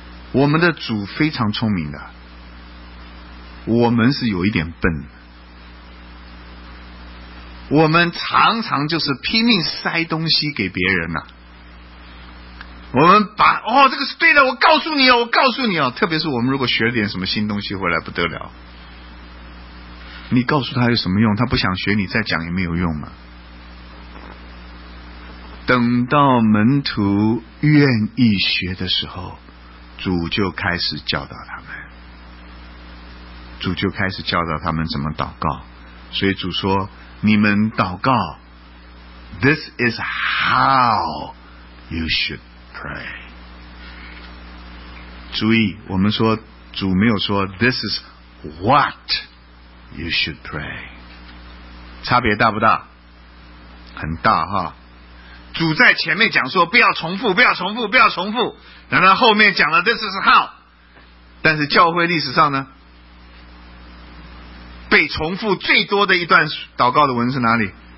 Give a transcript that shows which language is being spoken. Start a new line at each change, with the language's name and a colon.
Chinese: 我们的主非常聪明的，我们是有一点笨，我们常常就是拼命塞东西给别人啊，我们把哦，这个是对的，我告诉你哦，我告诉你哦，特别是我们如果学点什么新东西回来不得了，你告诉他有什么用？他不想学，你再讲也没有用嘛。等到门徒愿意学的时候，主就开始教导他们，主就开始教导他们怎么祷告。所以主说，你们祷告
English: This is how you should pray。
Chinese: 注意，我们说主没有说
English: This is what you should pray，
Chinese: 差别大不大？很大哈。主在前面讲说不要重复，不要重复，不要重复，然后后面讲了
English: This is how，
Chinese: 但是教会历史上呢，被重复最多的一段祷告的文是哪里？